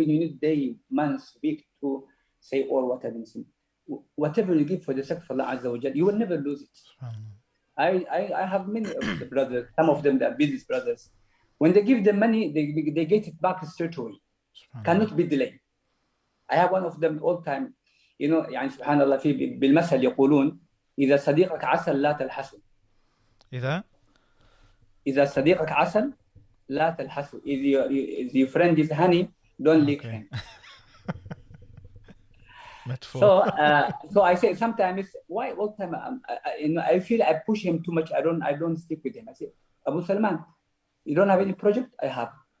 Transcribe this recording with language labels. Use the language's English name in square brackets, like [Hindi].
[English] Even you need day, month, week to say all what I've been seeing. Whatever you give for the sake of Allah Azza wa Jalla, you will never lose it. I have many of the brothers, some of them are business brothers. When they give the money, they get it back straight away. Cannot be delayed. I have one of them all time, you know, [Arabic] يعني سبحان الله في بالمثل يقولون إذا صديقك عسل لا تلحسه. إذا صديقك عسل لا تلحسه. [English] If your friend is honey, don't lick him. Metaphor. So I say sometimes why all time I feel I push him too much. I don't stick with him. I say Abu Salman, you don't have any project? I have.